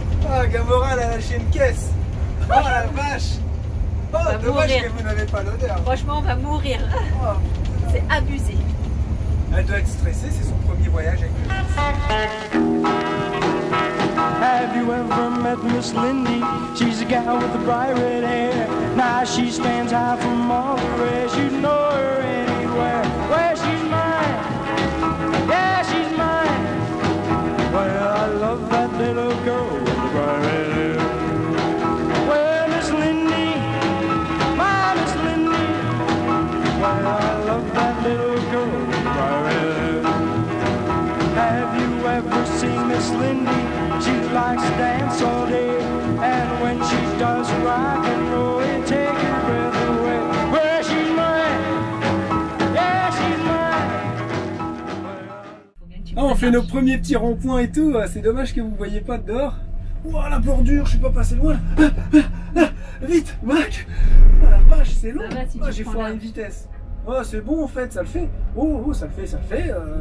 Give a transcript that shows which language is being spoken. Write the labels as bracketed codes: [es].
[fr] Ah, Gamora elle a lâché une caisse. Oh la vache. Oh, dommage mourir. Que vous n'avez pas l'odeur. Franchement, on va mourir. Oh, c'est abusé. Elle doit être stressée, c'est son premier voyage avec nous. [en] Have you ever met Miss Lindy? She's a gal with the bright red hair. Now she stands out from all the rest. You'd know her anywhere. Well, she's mine. Yeah, she's mine. Well, I love that little girl. Lindy, she likes to dance all day, and when she does rock and roll, it takes her breath away. Where she might. [fr] fait nos premiers petits ronds-points et tout. C'est dommage que vous ne voyez pas dehors. Ouah, la bordure, je suis pas passé loin. Vite, Mac. Oh la vache, c'est long. Va, si oh, j'ai foiré une vitesse. Oh, c'est bon en fait, ça le fait. Oh, oh, ça le fait, ça le fait.